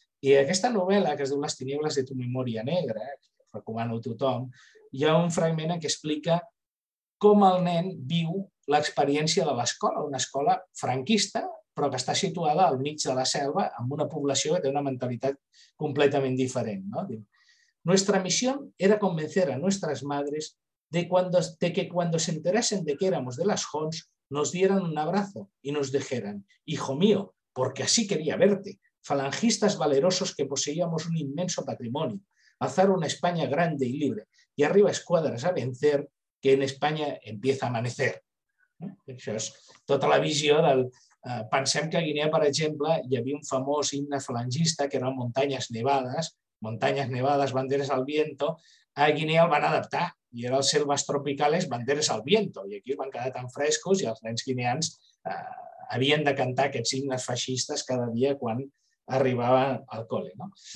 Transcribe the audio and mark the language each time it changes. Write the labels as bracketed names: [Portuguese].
[Catalan] I aquesta novel·la, que es diu Les tinebles de tu memòria negra, recomano a tothom, hi ha un fragment en què explica com el nen viu l'experiència de l'escola, una escola franquista, però que està situada al mig de la selva amb una població que té una mentalitat completament diferent. No? Diu, [Spanish] nuestra misión era convencer a nuestras madres de que cuando se enterasen de que éramos de las Hons, nos dieran un abrazo y nos dijeran, hijo mío, porque así quería verte, falangistas valerosos que poseíamos un inmenso patrimonio, alzar una España grande y libre, y arriba escuadras a vencer, que en España empieza a amanecer. [Catalan] Això és tota la visió del... Pensem que a Guinea, per exemple, hi havia un famós himne falangista que era Muntanyes Nevades, Banderes al Viento. A Guinea el van adaptar i era els Selvas Tropicales, Banderes al Viento. I aquí es van quedar tan frescos i els nens guineans havien de cantar aquests himnes feixistes cada dia quan arribava al col·le. No?